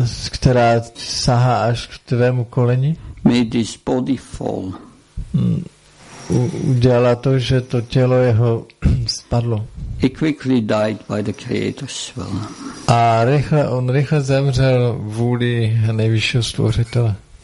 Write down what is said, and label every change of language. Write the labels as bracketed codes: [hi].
[cs] která sahá až k tvému koleni, [en] made his body fall. [cs] Udělala to, že to tělo jeho spadlo. [en] He quickly died by the creator's will. [cs] A rychle zemřel vůli nejvyššího stvořitele.